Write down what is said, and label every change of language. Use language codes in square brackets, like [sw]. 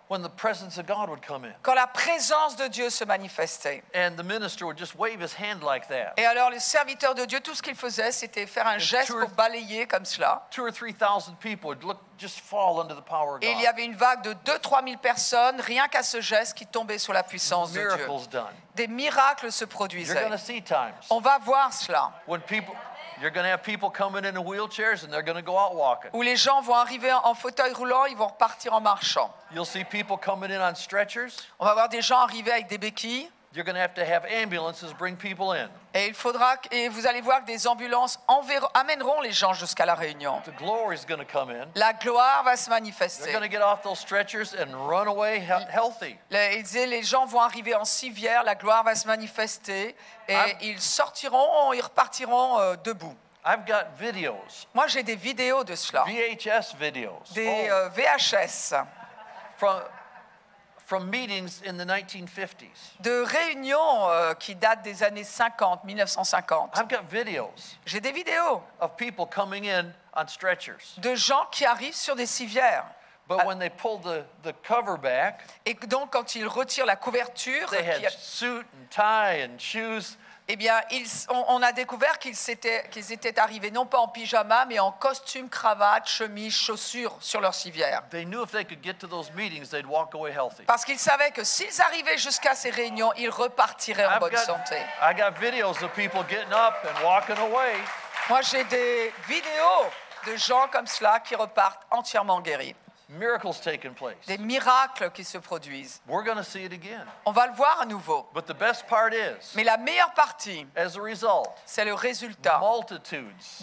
[en] When the presence of God would come in. [fr] Quand la présence de Dieu se manifestait. [en] And the minister would just wave his hand like that. [fr] Et alors le serviteur de Dieu, tout ce qu'il faisait, c'était faire un geste pour balayer comme cela. [en] 2,000 or 3,000 people would look just fall under the power of God. [fr] Et il y avait une vague de 2,000 or 3,000 personnes, rien qu'à ce geste, qui tombait sous la puissance de Dieu. [en] Miracles done. [fr] Des miracles se produisaient. [en] You're going to see times. [fr] On va voir cela. [en] When people... You're going to have people coming in wheelchairs and they're going to go out walking. [fr] Où les gens vont arriver en fauteuil roulant, ils vont repartir en marchant. [en] You'll see people coming in on stretchers. [fr] On va voir des gens arriver avec des béquilles. [en] You're going to have ambulances bring people in. [fr] Et il faudra et vous allez voir que des ambulances amèneront les gens jusqu'à la réunion. [en] The glory is going to come in. [fr] La gloire va se manifester. [en] They're going to get off those stretchers and run away healthy. [fr] Les gens vont arriver en civière, la gloire va se manifester et ils sortiront et repartiront debout. [en] I've got videos. [fr] Moi j'ai des vidéos de cela. [en] VHS videos. [fr] VHS. [en] From meetings in the 1950s. [fr] De réunions qui datent des années 50, 1950. [en] I've got videos. [fr] J'ai des vidéos. [en] Of people coming in on stretchers. [fr] De gens qui arrivent sur des civières. [en] But when they pull the cover back. [fr] Et donc quand ils retirent la couverture. [en] They had suit and tie and shoes. [fr] Eh bien, on a découvert qu'ils étaient arrivés non pas en pyjama, mais en costume, cravate, chemise, chaussures sur leur civière. Parce qu'ils savaient que s'ils arrivaient jusqu'à ces réunions, ils repartiraient en bonne santé. [en] I got videos of people getting up and walking away. [fr] Moi, j'ai des vidéos de gens comme cela qui repartent entièrement guéris. [en] Miracles taking place. [fr] Des miracles qui se produisent. [en] We're going to see it again. [fr] On va le voir à nouveau. [en] But the best part is. [fr] Mais la meilleure partie. [en] As a result. [fr] C'est le résultat. [en] Multitudes.